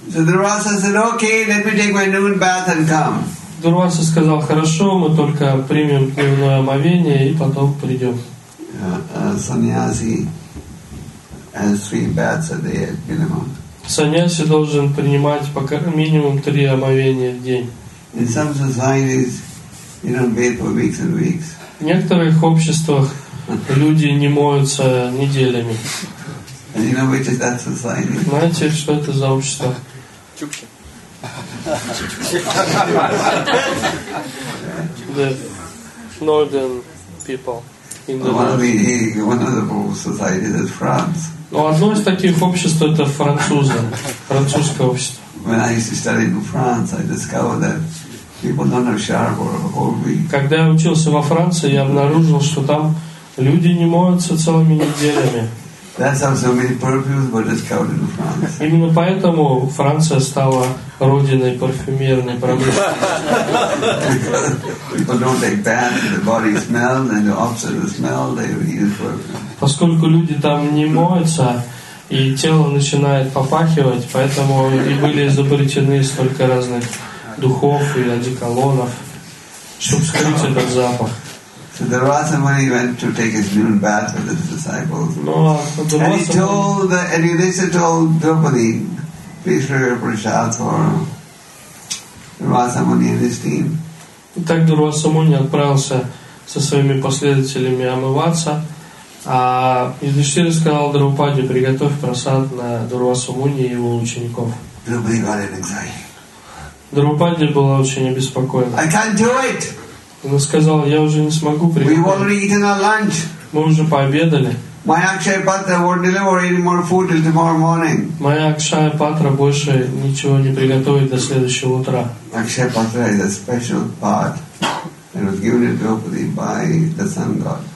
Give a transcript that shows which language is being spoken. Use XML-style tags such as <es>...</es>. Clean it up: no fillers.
<en>So Дурваса said, "Okay, let me take my noon bath and come."</en> <ru>Дурваса сказал, "Хорошо, мы только примем дневное омовение и потом придем."</ru> <en>Саньяси has three baths a day at minimum.</en> <ru>Саньяси должен принимать по минимум три омовения в день.</ru> <en>In some societies, you don't bathe for weeks and weeks.</en> <ru>В некоторых обществах люди не моются неделями.</ru> <en>And you know which is that society?</en> <ru>Знаете, что это за общество?</ru> <en>The northern people in the one of the most societies is France.</en> <ru>Но одно из таких обществ это французы, французское общество.</ru> <en>When I used to study in France, I discovered that people don't have shower all week.</en> <ru>Когда я учился во Франции, я обнаружил, что там люди не моются целыми неделями.</ru> <en>That's how so many perfumes were discovered in France.</en> <ru>Именно поэтому Франция стала родиной парфюмерной промышленности.</ru> <en>People don't take baths, the body smells, and the opposite of smell, they use perfume.</en> <ru>Поскольку люди там не моются, и тело начинает попахивать, поэтому и были изобретены столько разных духов и одеколонов, чтобы скрыть этот запах.</ru> <en>So the Rasa Muni went to take his noon bath with his disciples. No, and Yudhishthira told Draupadi, please prepare your prasad for the Rasa Muni and his team.</en> <ru>Так Дурваса Муни отправился со своими последователями омываться, а Юдиштхира сказал Драупаде, приготовь просад на Дурваса Муни и его учеников.</ru> <en>Draupadi got an anxiety.</en> <ru>Драупаде была очень обеспокоена.</ru> <en>I can't do it.</en> <ru>Он сказал, я уже не смогу приготовить.</ru> <en>We've already eaten our lunch.</en> <ru>Мы уже пообедали.</ru> <en>My Akshaya Patra won't deliver any more food till tomorrow morning.</en> <ru>Моя Акшая Патра больше ничего не приготовит до следующего утра.</ru> <en>Akshaya Patra is a special pot. It was given to Draupadi by the sun god.</en>